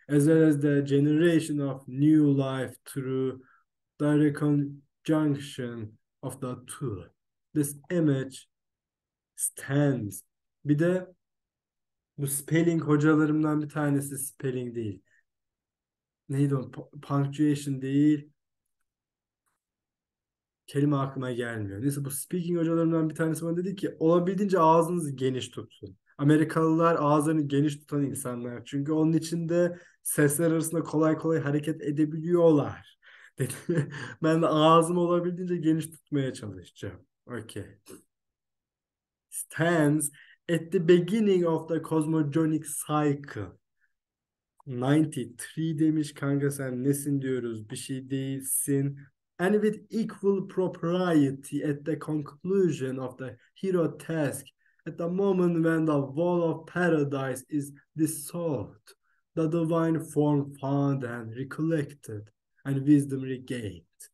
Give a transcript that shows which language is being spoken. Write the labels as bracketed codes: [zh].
[en] As well as the generation of new life through the reconjunction of the two. This image stands. [tr] Bir de bu spelling hocalarımdan bir tanesi spelling değil. Neydi o? Punctuation değil. Kelime aklıma gelmiyor. Neyse bu speaking hocalarımdan bir tanesi bana dedi ki olabildiğince ağzınızı geniş tutun. Amerikalılar ağzını geniş tutan insanlar. Çünkü onun içinde sesler arasında kolay kolay hareket edebiliyorlar. Dedi. Ben de ağzımı olabildiğince geniş tutmaya çalışacağım. Okay. [en] Stands at the beginning of the cosmogonic cycle. [tr] 93 demiş kanka sen nesin diyoruz bir şey değilsin. [en] And with equal propriety at the conclusion of the hero task at the moment when the veil of paradise is dissolved, the divine form found and recollected and wisdom regained.